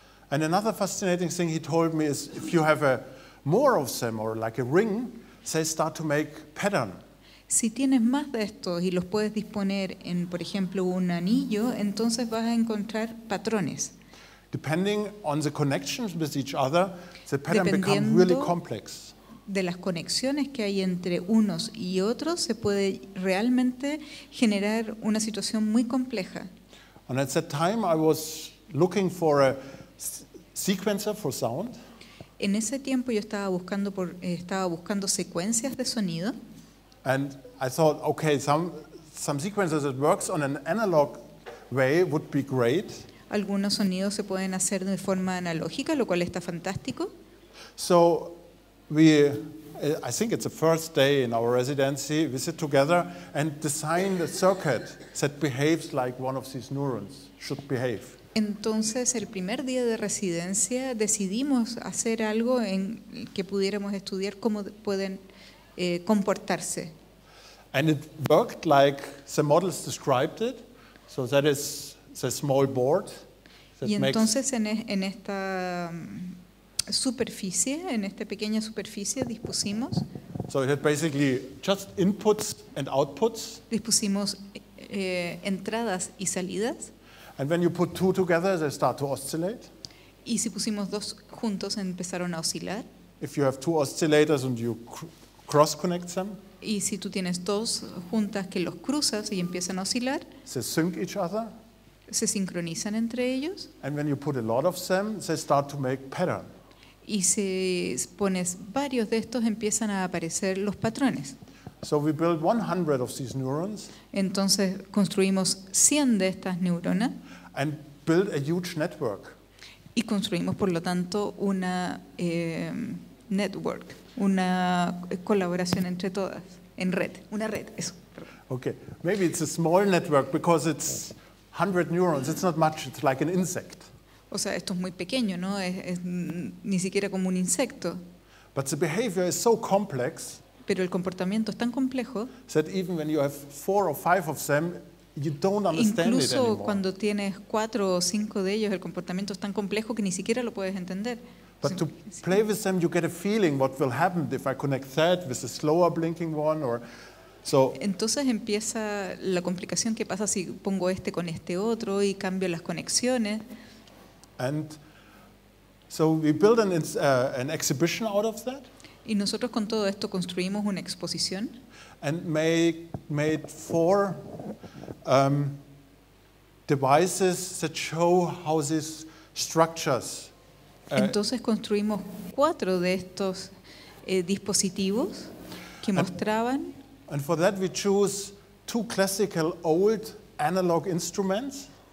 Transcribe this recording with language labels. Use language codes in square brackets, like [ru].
[en] And another fascinating thing he told me is if you have more of them or like a ring, they start to make pattern. [es] Si tienes más de estos y los puedes disponer en, por ejemplo, un anillo, entonces vas a encontrar patrones. [en] Depending on the connections with each other, the pattern becomes really complex. [es] De las conexiones que hay entre unos y otros, se puede realmente generar una situación muy compleja. [en] And at that time, I was looking for a sequencer for sound. [es] En ese tiempo, yo estaba buscando secuencias de sonido. [en] And I thought, okay, some sequencers that works on an analog way would be great. [es] Algunos sonidos se pueden hacer de forma analógica, lo cual está fantástico. [en] So, I think it's the first day in our residency, we sit together and design a circuit that behaves like one of these neurons should behave. [es] Entonces, el primer día de residencia decidimos hacer algo en que pudiéramos estudiar cómo pueden comportarse. [en] And it worked like the models described it, so that is a small board. [es] Y entonces en esta superficie, en esta pequeña superficie, dispusimos. [en] So it had basically just inputs and outputs. [es] Dispusimos entradas y salidas. [en] And when you put two together, they start to oscillate. [es] Y si pusimos dos juntos, empezaron a oscilar. [en] If you have two oscillators and you cross-connect them. [es] Y si tú tienes dos juntas que los cruzas y empiezan a oscilar. [en] They sync each other. [es] Se sincronizan entre ellos. [en] And when you put a lot of them, they start to make pattern. [es] Y si pones varios de estos, empiezan a aparecer los patrones. [en] So we build 100 of these neurons. [es] Entonces construimos 100 de estas neuronas. [en] And build a huge network. [es] Y construimos, por lo tanto, una network, una colaboración entre todas, en red, una red. Eso. [en] Okay, maybe it's a small network because it's 100 neurons, it's not much, it's like an insect. [es] O sea, esto es muy pequeño, ¿no? Es ni siquiera como un insecto. [en] But the behavior is so complex. [es] Pero el comportamiento es tan complejo. [en] That even when you have four or five of them, you don't understand [es] incluso [en] it anymore. [es] Incluso cuando tienes cuatro o cinco de ellos, el comportamiento es tan complejo que ni siquiera lo puedes entender. [en] But to play with them, you get a feeling what will happen if I connect that with a slower blinking one or So, [es] entonces empieza la complicación, ¿qué pasa si pongo este con este otro y cambio las conexiones? [en] And so we build an exhibition out of that. [es] Y nosotros con todo esto construimos una exposición. [en] And made four devices that show how these structures. [es] Entonces construimos cuatro de estos dispositivos que mostraban. [en] And for that we choose two classical old analog instruments.